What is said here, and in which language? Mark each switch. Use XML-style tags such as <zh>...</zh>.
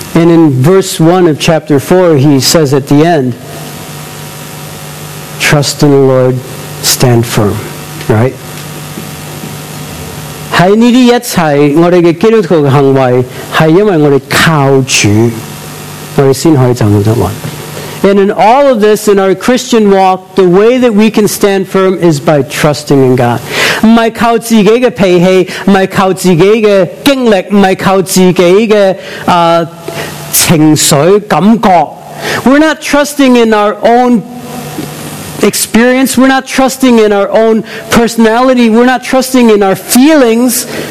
<en>in verse 1 of chapter 4 he says at the end, trust in the Lord, stand firm, right?</en> <zh>在这些一切我们的基督徒的行为是因为我们靠主。</zh> <en>And in all of this, in our Christian walk, the way that we can stand firm is by trusting in God.</en> <zh>不是靠自己的脾气，不是靠自己的经历，不是靠自己的情绪感觉。</zh> <en>We're not trusting in our own experience. We're not trusting in our own personality. We're not trusting in our feelings.</en>